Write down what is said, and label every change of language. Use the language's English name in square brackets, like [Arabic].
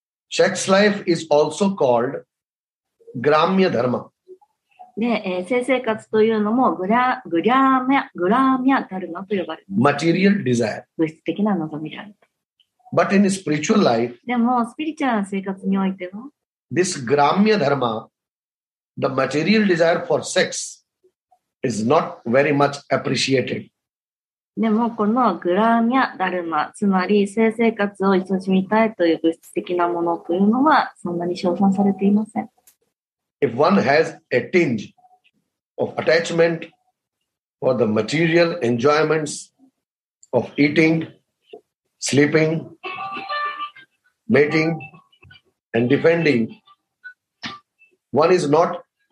[English] sex life is also called Gramya Dharma. [Japanese] で、性生活というのもグラーミャダルマと呼ばれます。 [English] Material desire. [Japanese] 物質的な望みである。 [English] But in spiritual life, [Japanese] でもスピリチュアルな生活においては、 [English] this Gramya Dharma. The material desire for sex is not very much appreciated. [Japanese] でもこのグラーミャダルマ、つまり性生活を慈しみたいという物質的なものというのはそんなに称賛されていません。 [English] If one has a tinge of attachment for the material enjoyments of eating, sleeping, mating, and defending, one is not